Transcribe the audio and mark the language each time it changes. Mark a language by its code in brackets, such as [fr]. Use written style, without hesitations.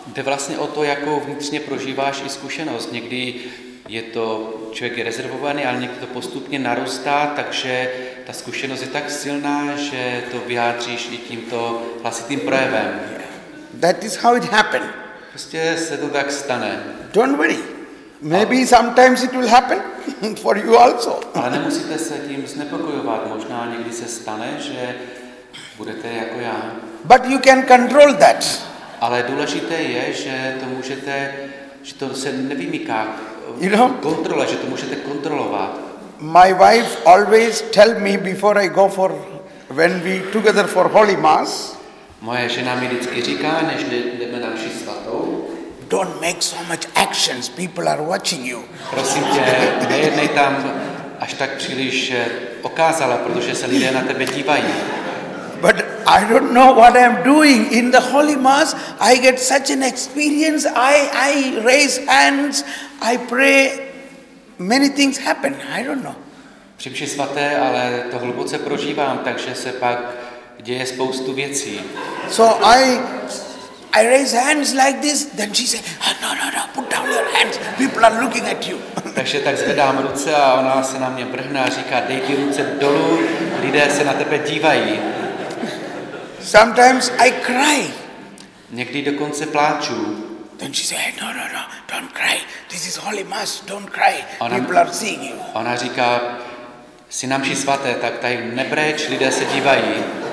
[cs] Jde vlastně o to, jakou vnitřně prožíváš i zkušenost. Někdy je to, člověk je rezervovaný, ale někdy to postupně narůstá, takže ta zkušenost je tak silná, že to vyjádříš i tímto hlasitým projevem. [en] That is how it happened. [cs] Prostě se to tak stane. [en] Don't worry. Maybe sometimes it will happen for you also. [cs] Ale nemusíte se tím znepokojovat. Možná někdy se stane, že budete jako já. [en] But you can control that. [cs] Ale důležité je, že to můžete, že to se nevymyká kontrole, že to můžete kontrolovat. [en] My wife always tell me before I go for when we together for Holy Mass. [cs] Moje žena mi vždycky říká, než jdeme na mši svatou. [en] Don't make so much actions, people are watching you. [cs] Prosím tě, nejednej tam až tak příliš okázala, protože se lidé na tebe dívají. [en] But I don't know what I'm doing in the Holy Mass. I get such an experience. I raise hands, I pray, many things happen. I don't know. [cs] Při mši svaté, ale to hluboce prožívám, takže se pak děje spoustu věcí. [en] So I raise hands like this, then she say, oh, no, put down your hands, people are looking at you. [cs] Takže tak zvedám ruce a ona se na mě vrhne a říká, dej ty ruce dolů, lidé se na tebe dívají. [en] Sometimes I cry. [cs] Někdy dokonce pláču. [en] Then she say, no, don't cry, this is Holy Mass, don't cry, people are seeing you. [cs] Ona říká, jsi na mši svaté, tak tady nebreč, lidé se dívají.